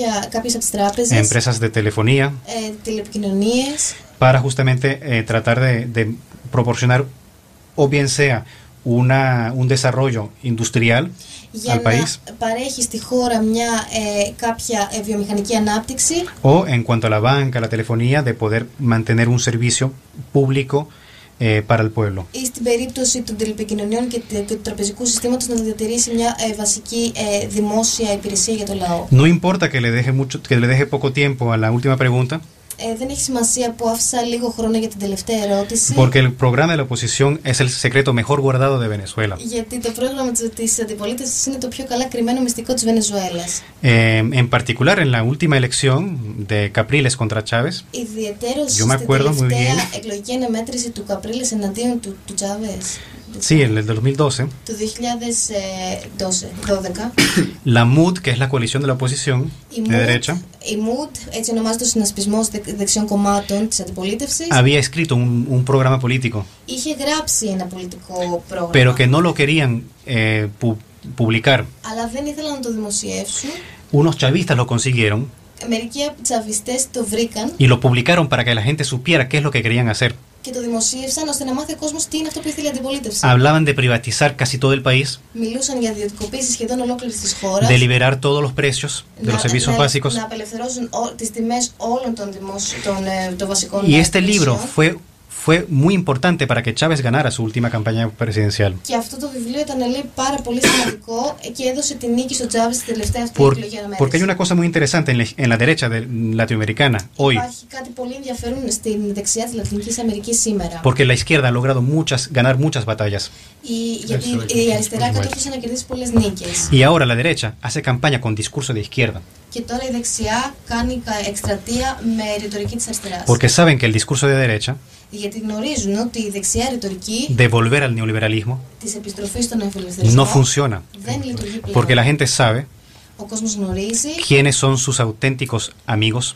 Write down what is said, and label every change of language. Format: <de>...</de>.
<el>Κάποιες από τις τράπεζες.</el> <es>Empresas de telefonía.</es> <el>Τηλεπικοινωνίες.</el> <es>Para justamente tratar de proporcionar o bien sea un desarrollo industrial</es> <el>για</el> <es>al país.</es> <el>Παρέχει στη χώρα μια κάποια βιομηχανική ανάπτυξη.</el> <es>O en cuanto a la banca, la telefonía, de poder mantener un servicio público para el pueblo.</es> <el>Ή στην περίπτωση των τηλεπικοινωνιών και του τραπεζικού συστήματος να διατηρήσει μια βασική δημόσια υπηρεσία για το λαό.</el> <es>No importa que le deje mucho, que le deje poco tiempo a la última pregunta.</es> <el>Δεν έχει σημασία που άφησα λίγο χρόνο για την τελευταία ερώτηση.</el> <es>Porque el programa de la oposición es el secreto mejor guardado de Venezuela.</es> <el>Γιατί το πρόγραμμα της αντιπολίτευσης είναι το πιο καλά κρυμμένο μυστικό της Βενεζουέλας.</el> <es>En particular en la última elección de Capriles contra Chávez.</es> <el>Ιδιαίτερος στην τελευταία εκλογική αναμέτρηση του Capriles εναντίον του Chávez.</el> <es>Sí, en el 2012.</es> <el>Το 2012.</el> <es>La MUD, que es la coalición de la oposición, de derecha.</es> <el>Η MUD, έτσι ονομάζεται ο συνασπισμός δεξιών κομμάτων της αντιπολίτευσης.</el> <es>Había escrito un programa político.</es> <el>Είχε γράψει ένα πολιτικό πρόγραμμα.</el> <es>Pero que no lo querían publicar.</es> <el>Αλλά δεν ήθελαν να το δημοσιεύσουν.</el> <es>Unos chavistas lo consiguieron.</es> <el>Μερικοί τσαβιστές το βρήκαν.</el> <es>Y lo publicaron para que la gente supiera qué es lo que querían hacer.</es> <el>Και το δημοσίευσαν ώστε να μάθει ο κόσμος τι είναι αυτό που ήθελε η αντιπολίτευση.</el> <es>Hablaban de privatizar casi todo el país.</es> <el>Μιλούσαν για ιδιωτικοποίηση σχεδόν ολόκληρης της χώρας.</el> <es>De liberar todos los precios de los servicios básicos.</es> <el>Να απελευθερώσουν τις τιμές όλων των δημόσιων των βασικών.</el> <es>Y este libro fue muy importante para que Chávez ganara su última campaña presidencial.</es> <el>Και αυτό το βιβλίο ήταν πάρα πολύ σημαντικό και έδωσε την νίκη στο Chávez στην τελευταία αυτή εκλογή αναμέτρηση.</el> <es>Porque hay una cosa muy interesante en la derecha de latinoamericana hoy.</es> <el>Υπάρχει κάτι πολύ ενδιαφέρον στην δεξιά της Λατινικής Αμερικής σήμερα.</el> <es>Porque la izquierda ha logrado ganar muchas batallas.</es> <el>Γιατί η αριστερά κατόρθωσε να κερδίσει πολλές νίκες.</el> <es>Y ahora la derecha hace campaña con discurso de izquierda.</es> <el>Και τώρα η δεξιά κάνει εκστρατεία με ρητορική της αριστεράς.</el> <es>Porque saben que el discurso de derecha.</es> <el>Γιατί γνωρίζουν ότι η δεξιά ρητορική.</el> <es>Devolver al neoliberalismo.</es> <el>Της επιστροφής στον νεοφιλελευθερισμό.</el> <es>No funciona.</es> <el>Δεν λειτουργεί πλέον.</el> <es>Porque la gente sabe.</es> <el>Ο κόσμος γνωρίζει.</el> <es>Quiénes son sus auténticos amigos.</es>